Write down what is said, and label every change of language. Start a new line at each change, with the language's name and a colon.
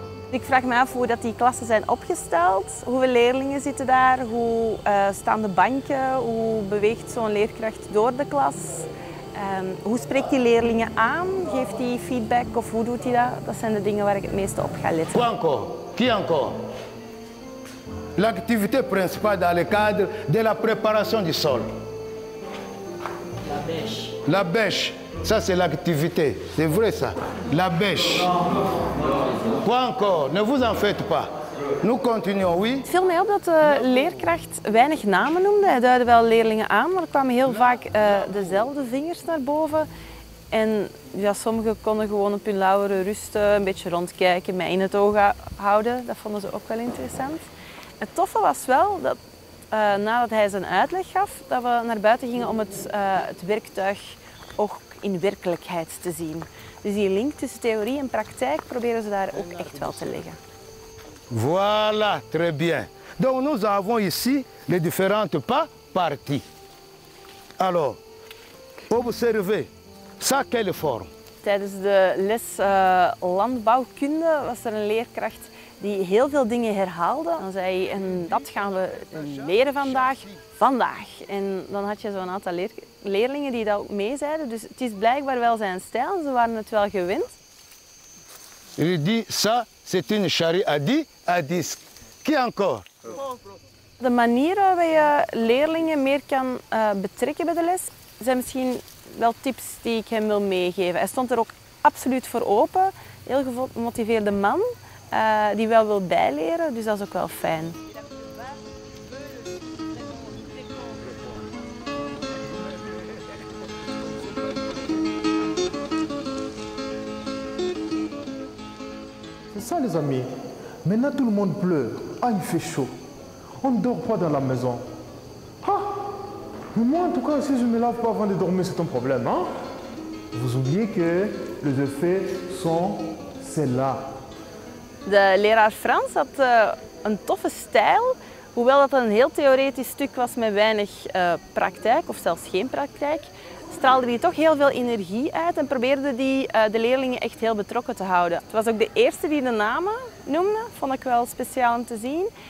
Dutch: Ik vraag me af hoe dat die klassen zijn opgesteld. Hoeveel leerlingen zitten daar? Hoe staan de banken? Hoe beweegt zo'n leerkracht door de klas? Hoe spreekt die leerlingen aan? Geeft die feedback of hoe doet hij dat? Dat zijn de dingen waar ik het meeste op ga letten. Kwanko, Kianko.
French: L'activité principale dans le cadre de la préparation du sol. La bêche. Ça c'est l'activité. C'est vrai ça. La bêche. Quoi encore? Ne vous en faites pas. Nous continuons, oui.
Dutch: Het viel mij op dat de leerkracht weinig namen noemde. Hij duidde wel leerlingen aan, maar er kwamen heel vaak dezelfde vingers naar boven. En ja, sommigen konden gewoon op hun lauweren rusten, een beetje rondkijken, mij in het oog houden. Dat vonden ze ook wel interessant. Het toffe was wel dat nadat hij zijn uitleg gaf, dat we naar buiten gingen om het werktuig ook in werkelijkheid te zien. Dus die link tussen theorie en praktijk proberen ze daar ook echt wel te leggen.
French: Voilà, très bien. Donc nous avons ici les différentes parties. Alors, observez, ça quelle forme?
Dutch: Tijdens de les landbouwkunde was er een leerkracht die heel veel dingen herhaalde. Dan zei hij, en dat gaan we leren vandaag, vandaag. En dan had je zo'n aantal leerlingen die dat ook mee zeiden. Dus het is blijkbaar wel zijn stijl, ze waren het wel gewend.
French: Il dit ça, c'est une charrie à dix, à dix. Qui encore?
Dutch: De manier waarop je leerlingen meer kan betrekken bij de les, zijn misschien wel tips die ik hem wil meegeven. Hij stond er ook absoluut voor open. Heel gemotiveerde man, die wel wil bijleren, dus dat is ook wel fijn.
French: Ça, les amis, maintenant tout le monde pleure. Ah, il fait chaud. On ne dort pas dans la maison. Ah, mais moi, en tout cas, si je ne me lave pas avant de dormir, c'est un problème, hein? Vous oubliez que les effets sont celles-là.
Dutch: De leraar Frans had een toffe stijl, hoewel dat een heel theoretisch stuk was met weinig praktijk, of zelfs geen praktijk, straalde hij toch heel veel energie uit en probeerde hij de leerlingen echt heel betrokken te houden. Het was ook de eerste die de namen noemde, vond ik wel speciaal om te zien.